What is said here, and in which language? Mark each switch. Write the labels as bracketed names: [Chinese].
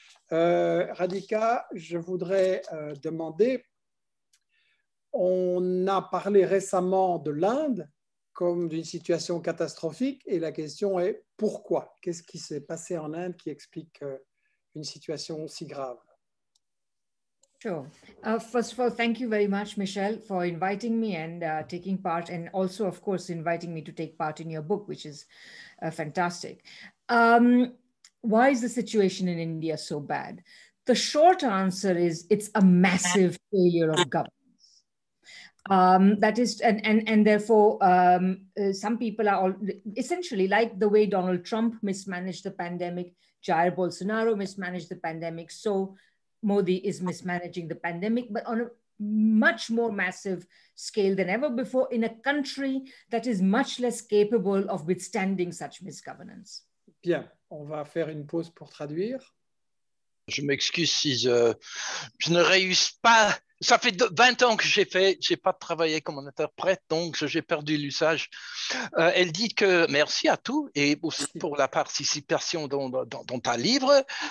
[French] Radica, je voudrais demander, on a parlé récemment de l'Inde comme d'une situation catastrophique, et la question est pourquoi? Qu'est-ce qui s'est passé en Inde qui explique une situation si grave? [English] Sure. First of all, thank you very much, Michel, for inviting me and taking part, and also, of course, inviting me to take part in your book, which is fantastic. Why is the situation in India so bad? The short answer is it's a massive failure of government. That is, and therefore, some people are all essentially like the way Donald Trump mismanaged the pandemic, Jair Bolsonaro mismanaged the pandemic, so Modi is mismanaging the pandemic, but on a much more massive scale than ever before in a country that is much less capable of withstanding such misgovernance. [French] Bien, on va faire une pause pour traduire. Je m'excuse si je ne réussis pas. Ça fait 20 ans que j'ai pas travaillé comme un interprète, donc j'ai perdu l'usage. Elle dit que merci à tous et aussi pour la participation dans ta livre.